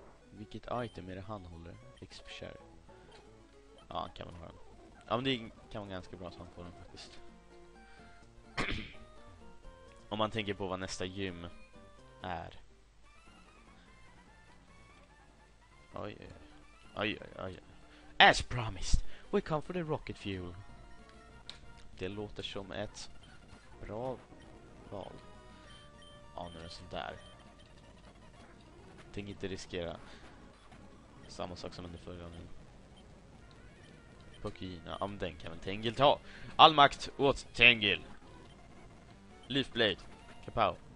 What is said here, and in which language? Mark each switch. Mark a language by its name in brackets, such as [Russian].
[Swedish] Vilket item är det han håller? XP share. Ja, han kan väl ha den. Ja, men det kan vara ganska bra att han får den faktiskt. Om man tänker på vad nästa gym är. Oj. [English] As promised, we come for the rocket fuel. [Swedish] Det låter som ett bra val. Ja, nu är det sådär. Tänk inte riskera. Samma sak som under förra gången. Pokina. Ja, men den kan väl Tangle ta. All makt åt Tangle. Leaf Blade. Kapow.